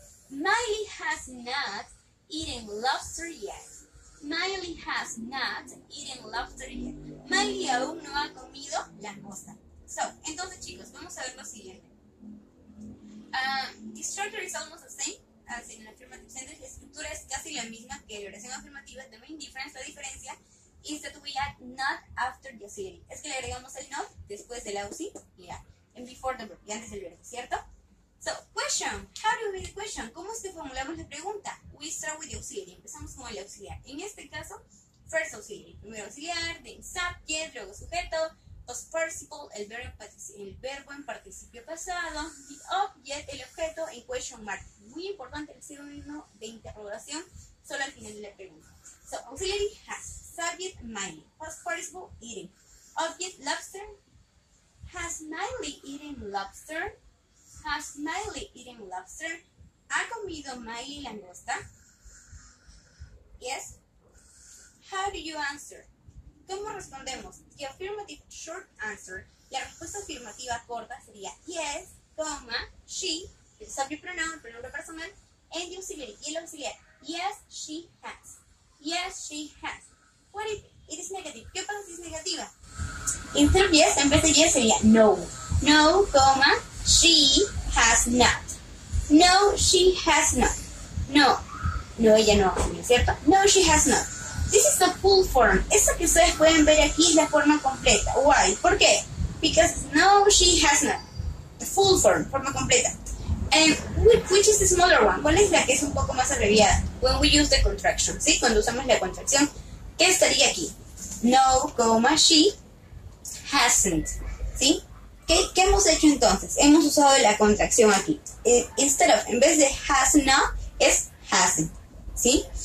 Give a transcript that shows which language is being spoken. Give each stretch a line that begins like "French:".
English: Miley has not eaten lobster yet. Miley has not eaten lobster yet.
Spanish: Miley aún no ha comido langosta.
English: So,
Spanish: entonces chicos, vamos a ver lo siguiente.
English: The structure is almost the same as in an affirmative sentence.
Spanish: La estructura es casi la misma que la oración afirmativa.
English: The main difference,
Spanish: la diferencia,
English: is that we add not after the auxiliary.
Spanish: Es que le agregamos el not después del auxiliary.
English: Yeah. And before the verb,
Spanish: y antes del verbo, ¿cierto?
English: So, question. How do we make the question?
Spanish: ¿Cómo es que formulamos la pregunta?
English: We start with the auxiliary.
Spanish: Empezamos con el auxiliar. En este caso,
English: first auxiliary.
Spanish: Primero auxiliar,
English: then subject,
Spanish: luego sujeto,
English: post participle,
Spanish: el verbo en participio pasado,
English: the object,
Spanish: el objeto, en
English: question mark.
Spanish: Muy importante el signo de interrogación, solo al final de la pregunta.
English: So, auxiliary has. Subject, Miley. Post participle, eating. Object, lobster. Has Miley eaten lobster? Has Miley eaten lobster?
Spanish: ¿Ha comido Miley langosta?
English: Yes. How do you answer?
Spanish: ¿Cómo respondemos?
English: The affirmative short answer.
Spanish: La respuesta afirmativa corta sería
English: yes, comma, she,
Spanish: el subject pronoun, el pronombre personal,
English: and the auxiliary,
Spanish: y el auxiliar.
English: Yes, she has. Yes, she has. What if it is negative?
Spanish: ¿Qué pasa si es negativa?
English: Instead of yes,
Spanish: en vez de yes sería no.
English: No, comma, she has not. No, she has not. No. No,
Spanish: ella no, ¿cierto?
English: No, she has not. This is the full form.
Spanish: Esta que ustedes pueden ver aquí es la forma completa.
English: Why?
Spanish: ¿Por qué?
English: Because no, she has not. The full form,
Spanish: forma completa.
English: And which is the smaller one?
Spanish: ¿Cuál es la que es un poco más abreviada?
English: When we use the contraction,
Spanish: ¿sí? Cuando usamos la contracción, ¿qué estaría aquí?
English: No, comma, she hasn't,
Spanish: ¿sí? ¿Qué hemos hecho entonces? Hemos usado la contracción aquí.
English: Instead of,
Spanish: en vez de has not, es hasn't, ¿sí?